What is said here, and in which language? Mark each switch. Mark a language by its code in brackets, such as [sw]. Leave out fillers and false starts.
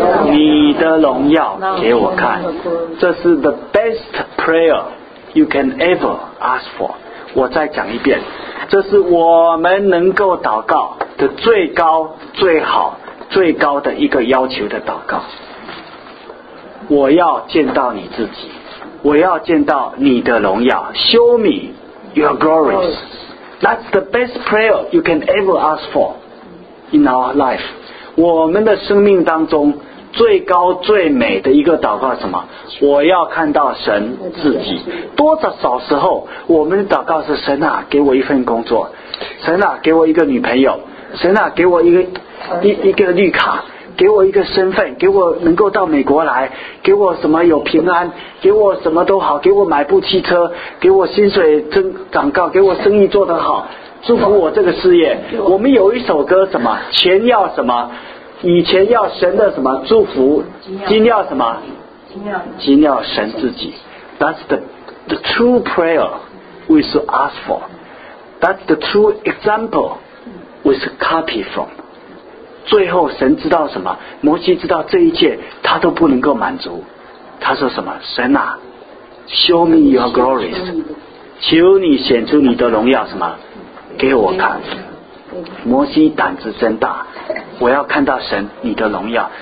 [zh] 你的荣耀给我看。这是 [en] the best prayer you can ever ask for。 [zh] 我再讲一遍，这是我们能够祷告的最高最好最高的一个要求的祷告。我要见到你自己，我要见到你的荣耀。 [en] Show me your glories. That's the best prayer you can ever ask for in our life. [zh] 我们的生命当中最高最美的一个祷告是什么？我要看到神自己。多少少时候我们祷告是，神啊给我一份工作，神啊给我一个女朋友，神啊给我一个绿卡，给我一个身份，给我能够到美国来，给我什么有平安，给我什么都好，给我买部汽车，给我薪水涨高，给我生意做得好，祝福我这个事业。我们有一首歌，什么钱要什么，以前要神的什么祝福，今要什么，今要神自己。 [en] That's the true prayer we should ask for. That's the true example we should copy from. [zh] 最后神知道什么？摩西知道这一切他都不能够满足，他说什么？神啊 [en] Show me your glories， [zh] 求你显出你的荣耀，什么给我看。摩西胆子真大，我要看到神你的荣耀。